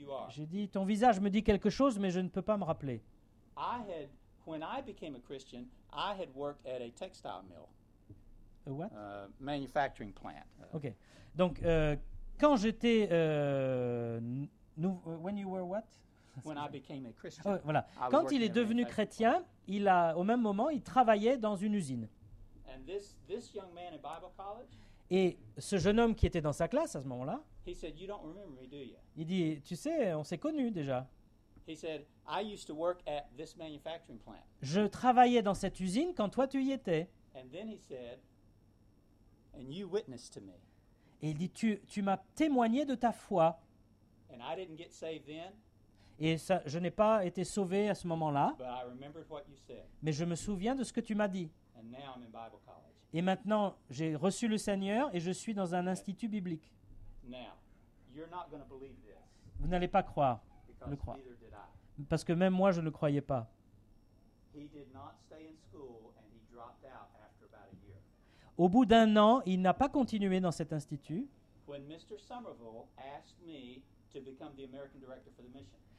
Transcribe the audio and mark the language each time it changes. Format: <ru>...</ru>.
<fr>J'ai dit, ton visage me dit quelque chose, mais je ne peux pas me rappeler.</fr> <en>When I became a Christian, I had worked at a textile mill. A what? Manufacturing plant. Okay.</en> <fr>Donc, quand j'étais...</fr> <en>when you were what? When I became a Christian.</en> <fr>Oh, voilà. Quand il est devenu chrétien, au même moment, il travaillait dans une usine.</fr> <en>And this young man in Bible college,</en> <fr>et ce jeune homme qui était dans sa classe à ce moment-là,</fr> <en>he said, "You don't remember me, do you?"</en> <fr>Il dit, tu sais, on s'est connus déjà.</fr> <en>He said, "I used to work at this manufacturing plant."</en> <fr>Je travaillais dans cette usine quand toi tu y étais.</fr> <en>And then he said, "And you witnessed to me."</en> <fr>Et il dit, tu m'as témoigné de ta foi.</fr> <en>And I didn't get saved then.</en> <fr>Et ça, je n'ai pas été sauvé à ce moment-là.</fr> <en>But I remembered what you said.</en> <fr>Mais je me souviens de ce que tu m'as dit.</fr> <en>And now I'm in Bible college.</en> <fr>Et maintenant, j'ai reçu le Seigneur et je suis dans un institut biblique.</fr> <en>Now, you're not gonna believe this.</en> <fr>Vous n'allez pas croire,</fr> <en>Because</en> <fr>le croire.</fr> <en>Neither did I.</en> <fr>Parce que même moi, je ne le croyais pas.</fr> <en>He did not stay in school and he dropped out after about a year.</en> <fr>Au bout d'un an, il n'a pas continué dans cet institut.</fr> <en>When Mr. Somerville asked me to become the American director for the mission.</en>